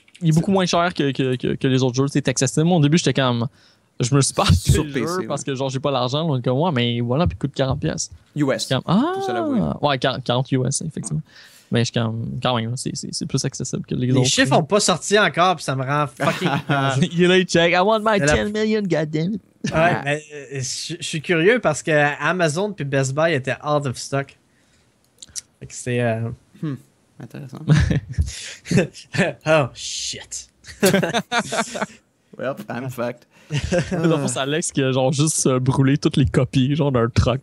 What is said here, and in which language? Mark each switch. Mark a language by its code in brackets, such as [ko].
[fr] Il est beaucoup moins cher que les autres jeux. C'est accessible. Moi, au début, j'étais comme. Je me suis pas acheté sur PC, parce que genre j'ai pas l'argent loin de moi, mais voilà, puis il coûte 40$. [en] US. [fr] Ouais, 40 US, effectivement. Ouais. Mais je suis quand même, c'est plus accessible que les autres. Les chiffres n'ont pas sorti encore, puis ça me rend fucking. [en] You know, check. I want my 10 million, goddamn it. [fr] Ouais, je suis curieux parce que Amazon puis Best Buy étaient [en] out of stock. [fr] Fait que c'est. Intéressant. [en] Oh, shit. Well, I'm fucked. [fr] Non, c'est Alex qui a genre juste brûlé toutes les copies genre d'un truck.